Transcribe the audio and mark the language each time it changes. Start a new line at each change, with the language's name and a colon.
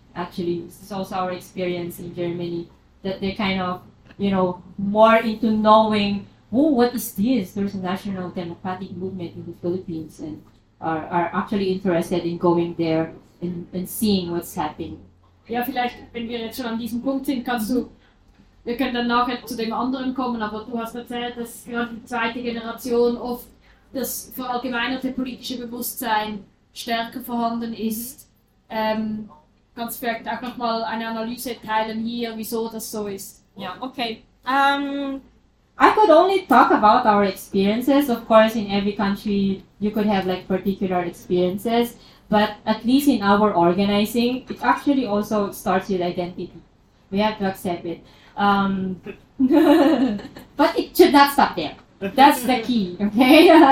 English: Actually, this is also our experience in Germany, that they kind of, you know, more into knowing, oh, what is this? There's a national democratic movement in the Philippines, and are actually interested in going there and seeing what's happening.
German: Ja, vielleicht, wenn wir jetzt schon an diesem Punkt sind, kannst du, wir können dann nachher zu dem anderen kommen, aber du hast erzählt, dass gerade die zweite Generation oft das verallgemeinerte politische Bewusstsein stärker vorhanden ist. Kannst du vielleicht auch nochmal eine Analyse teilen hier, wieso das so ist? Ja,
English: okay. I could only talk about our experiences. Of course, in every country, you could have like particular experiences. But at least in our organizing, it actually also starts with identity. We have to accept it. but it should not stop there. That's the key, okay?